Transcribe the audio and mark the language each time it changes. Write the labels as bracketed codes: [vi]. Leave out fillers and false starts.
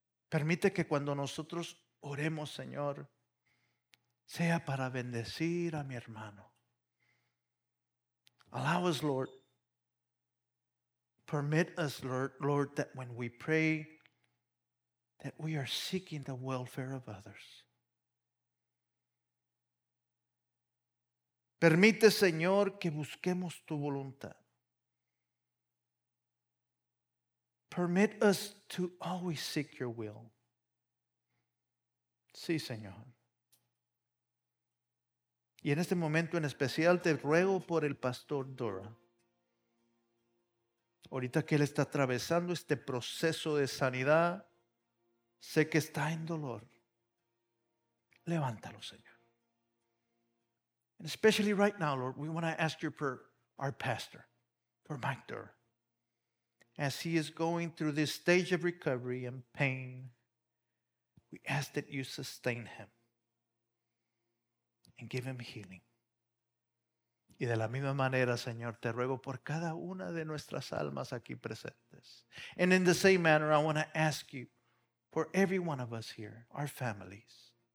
[es] Permite que cuando nosotros oremos, Señor, sea para bendecir a mi hermano. [en] Allow us, Lord. Permit us, Lord, that when we pray, that we are seeking the welfare of others. [es] Permite, Señor, que busquemos tu voluntad. [en] Permit us to always seek your will. [es] Sí, Señor. Y en este momento en especial te ruego por el pastor Dora. Ahorita que él está atravesando este proceso de sanidad, sé que está en dolor. Levántalo, Señor. [en] And especially right now, Lord, we want to ask your prayer, our pastor, for Mike Durr, as he is going through this stage of recovery and pain, we ask that you sustain him and give him healing. [es] Y de la misma manera, Señor, te ruego por cada una de nuestras almas aquí presentes. [en] And in the same manner, I want to ask you for every one of us here, our families.